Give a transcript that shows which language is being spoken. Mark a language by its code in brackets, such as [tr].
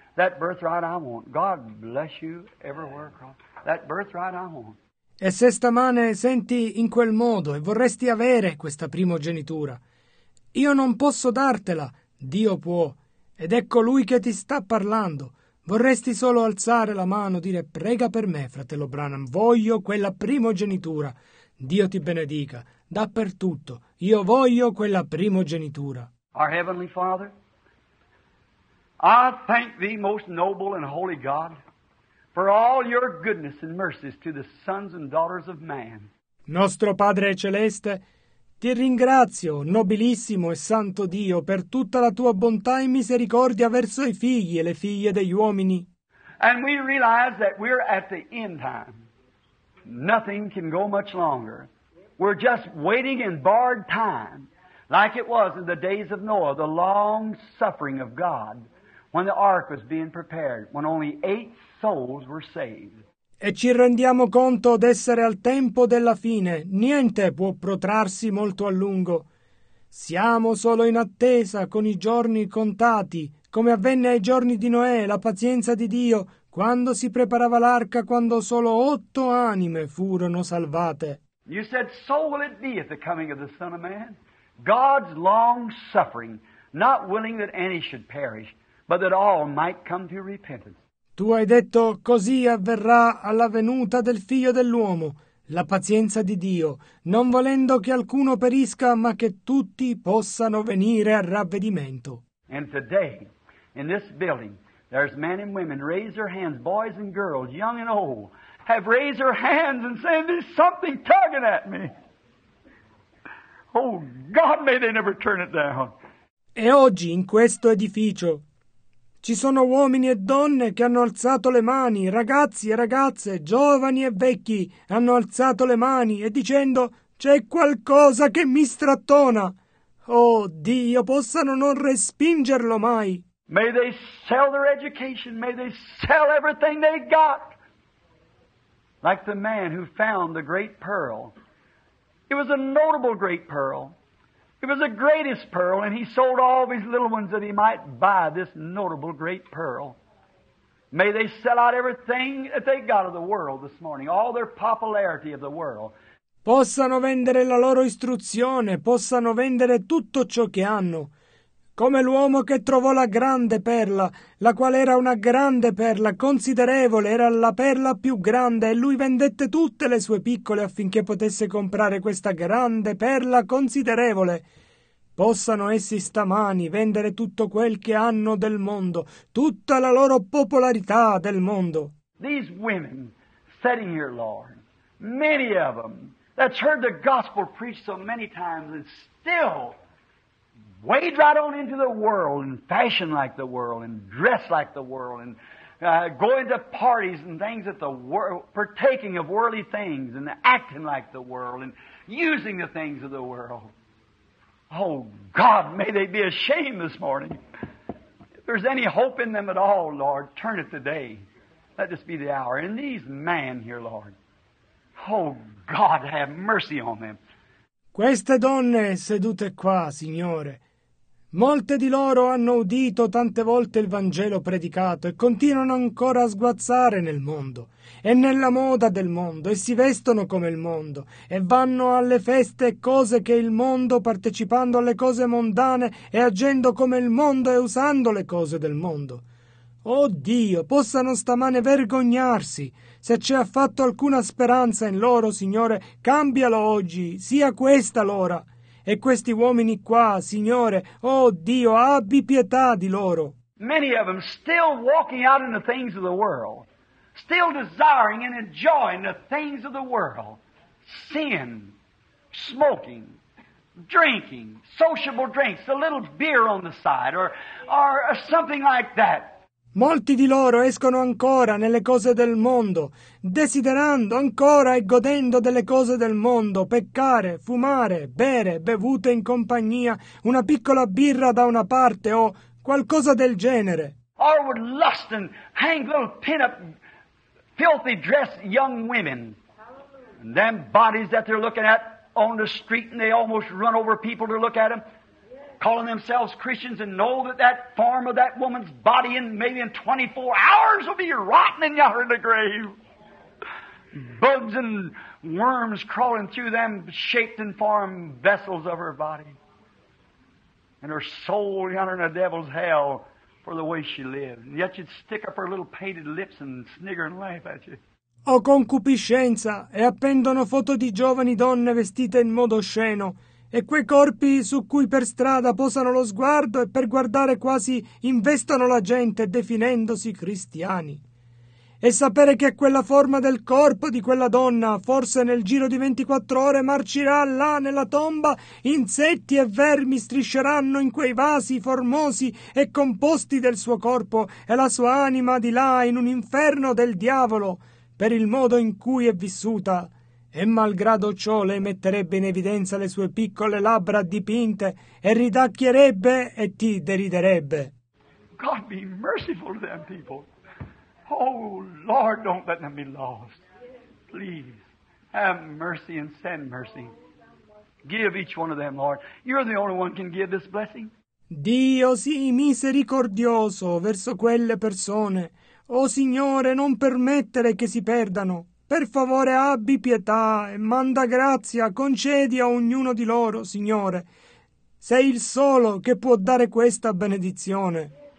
[en] That birthright I want. God bless you everywhere across. That birthright I want. [it] E se stamane senti in quel modo e vorresti avere questa primogenitura, io non posso dartela. Dio può. Ed ecco Lui che ti sta parlando. Vorresti solo alzare la mano, dire, prega per me, fratello Branham. Voglio quella primogenitura. Dio ti benedica. Dappertutto, io voglio quella primogenitura. [en] Our Heavenly Father, I thank Thee, most noble and holy God, for all Your goodness and mercies to the sons and daughters of man. [it] Nostro Padre Celeste, ti ringrazio, nobilissimo e santo Dio, per tutta la Tua bontà e misericordia verso i figli e le figlie degli uomini. [en] And we realize that we're at the end time. Nothing can go much longer. We're just waiting in barred time, like it was in the days of Noah, the long suffering of God, when the ark was being prepared, when only 8 souls were saved. [it] E ci rendiamo conto d'essere al tempo della fine. Niente può protrarsi molto a lungo. Siamo solo in attesa, con i giorni contati, come avvenne ai giorni di Noè, la pazienza di Dio, quando si preparava l'arca, quando solo 8 anime furono salvate. [en] You said, so will it be at the coming of the Son of Man. God's long-suffering, not willing that any should perish, but that all might come to repentance. [it] Tu hai detto, così avverrà alla venuta del Figlio dell'Uomo, la pazienza di Dio, non volendo che alcuno perisca, ma che tutti possano venire al ravvedimento. [en] And today, in this building, there's men and women, raise their hands, boys and girls, young and old, have raised their hands and said, there's something tugging at me. Oh, God, may they never turn it down. [it] E oggi, in questo edificio, ci sono uomini e donne che hanno alzato le mani, ragazzi e ragazze, giovani e vecchi, hanno alzato le mani e dicendo, c'è qualcosa che mi strattona. Oh, Dio, possano non respingerlo mai. [en] May they sell their education, may they sell everything they got. Like the man who found the great pearl. It was a notable great pearl. It was the greatest pearl, and he sold all of his little ones that he might buy this notable great pearl. May they sell out everything that they got of the world this morning, all their popularity of the world. [it] possano vendere la loro istruzione, possano vendere tutto ciò che hanno. Come l'uomo che trovò la grande perla, la quale era una grande perla, considerevole, era la perla più grande, e lui vendette tutte le sue piccole affinché potesse comprare questa grande perla considerevole. Possano essi stamani vendere tutto quel che hanno del mondo, tutta la loro popolarità del mondo. [en] These women sitting here, Lord, many of them, that's heard the gospel preached so many times and still wade right on into the world and fashion like the world and dress like the world and go into parties and things that the world, partaking of worldly things and acting like the world and using the things of the world. Oh, God, may they be ashamed this morning. If there's any hope in them at all, Lord, turn it today. Let this be the hour. And these men here, Lord, oh, God, have mercy on them. [it] Queste donne sedute qua, Signore, molte di loro hanno udito tante volte il Vangelo predicato e continuano ancora a sguazzare nel mondo e nella moda del mondo e si vestono come il mondo e vanno alle feste e cose che il mondo, partecipando alle cose mondane e agendo come il mondo e usando le cose del mondo. Oh Dio, possano stamane vergognarsi. Se ci ha fatto alcuna speranza in loro, Signore, cambialo oggi, sia questa l'ora. E questi uomini qua, Signore, oh Dio, abbi pietà di loro. [en] Many of them still walking out in the things of the world, still desiring and enjoying the things of the world, sin, smoking, drinking, sociable drinks, a little beer on the side, or something like that. [it] Molti di loro escono ancora nelle cose del mondo, desiderando ancora e godendo delle cose del mondo, peccare, fumare, bere, bevute in compagnia, una piccola birra da una parte o qualcosa del genere. [en] Or would lust and hang little pin-up, filthy dressed young women. And them bodies that they're looking at on the street and they almost run over people to look at them. Calling themselves Christians and know that that form of that woman's body in maybe in 24 hours will be rotten in yonder the grave. Bugs and worms crawling through them shaped and formed vessels of her body. And her soul yonder in a devil's hell for the way she lived. And yet she'd stick up her little painted lips and snigger and laugh at you. [it] O concupiscenza, e appendono foto di giovani donne vestite in modo osceno. E quei corpi su cui per strada posano lo sguardo e per guardare quasi investono la gente definendosi cristiani. E sapere che quella forma del corpo di quella donna forse nel giro di 24 ore marcirà là nella tomba, insetti e vermi strisceranno in quei vasi formosi e composti del suo corpo e la sua anima di là in un inferno del diavolo per il modo in cui è vissuta. E malgrado ciò lei metterebbe in evidenza le sue piccole labbra dipinte e ridacchierebbe e ti deriderebbe. [en] God be merciful to them people. Oh Lord, don't let them be lost. Please, have mercy and send mercy. Give each one of them, Lord. You're the only one can give this blessing. [it] Dio sii misericordioso verso quelle persone. Oh Signore, non permettere che si perdano. Per favore abbi pietà e manda grazia, concedi a ognuno di loro, Signore. Sei il solo che può dare questa benedizione.